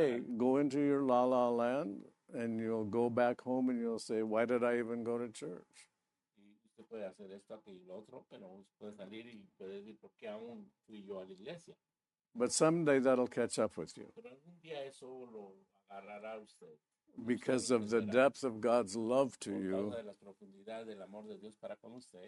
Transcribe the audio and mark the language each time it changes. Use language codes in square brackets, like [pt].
[en] Hey, go into your la-la land and you'll go back home and you'll say, why did I even go to church? [es] Usted puede hacer esto aquí y lo otro, pero puede salir y puede decir, ¿por qué aún fui yo a la iglesia? [en] But someday that'll catch up with you. [es] Pero algún día eso lo agarrará usted. [en] Because of the depth of God's love to you, [es] de la profundidad del amor de Dios para con usted,